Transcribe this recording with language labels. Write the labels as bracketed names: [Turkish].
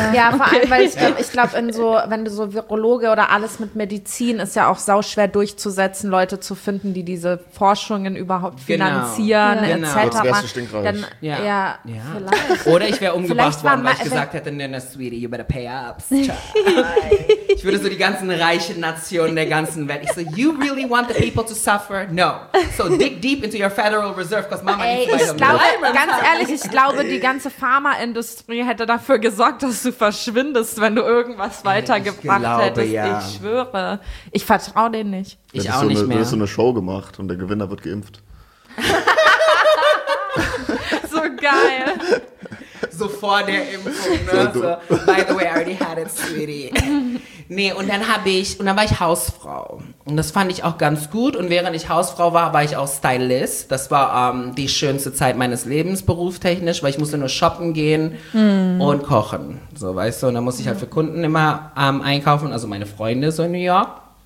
[German] Ja, vor allem, weil ich glaube, wenn du so Virologe oder alles mit Medizin, ist ja auch sauschwer durchzusetzen, Leute zu finden, die diese Forschungen überhaupt finanzieren, etc. Genau. Das wärst du stinkreich. Dann, ja. Vielleicht. Oder ich wäre umgebracht worden, weil ich gesagt hätte, nee, [English] sweetie, you better pay up. [German] Ich würde so die ganzen reichen Nationen der ganzen Welt, ich so, [English] you really want the people to suffer? No. So dig deep into your Federal Reserve, because Mama needs to know. [German] Ganz ehrlich, ich glaube, die ganze Pharmaindustrie hätte dafür gesorgt, dass du verschwindest, wenn du irgendwas weitergebracht hättest. Ja. Ich schwöre. Ich vertraue denen nicht. Ich auch nicht mehr. Du hast so eine Show gemacht und der Gewinner wird geimpft. So geil. So vor der Impfung. Ne? [English] So, by the way, I already had it, sweetie. [German] Nee, und dann war ich Hausfrau. Und das fand ich auch ganz gut. Und während ich Hausfrau war, war ich auch Stylist. Das war die schönste Zeit meines Lebens beruftechnisch, weil ich musste nur shoppen gehen und kochen. So, weißt du, und dann musste ich halt für Kunden immer einkaufen, also meine Freunde so in New York.